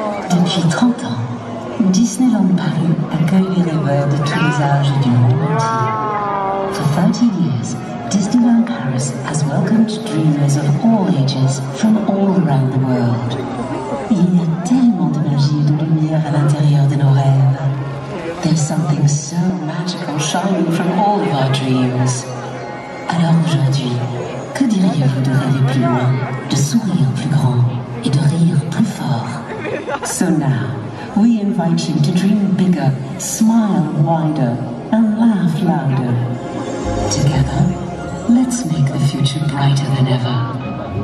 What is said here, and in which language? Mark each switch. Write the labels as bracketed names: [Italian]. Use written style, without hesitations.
[French] Depuis 30 ans, Disneyland Paris accueille les rêveurs de tous les âges du monde entier. [English] For 30 years, Disneyland Paris has welcomed dreamers of all ages from all around the world. [French] Il y a tellement de magie et de lumière à l'intérieur de nos rêves. [English] There's something so magical shining from all of our dreams. [French] Alors aujourd'hui, que diriez-vous de rêver plus loin, de sourire plus grand et de rire plus fort? [English] So now, we invite you to dream bigger, smile wider, and laugh louder. Together, let's make the future brighter than ever.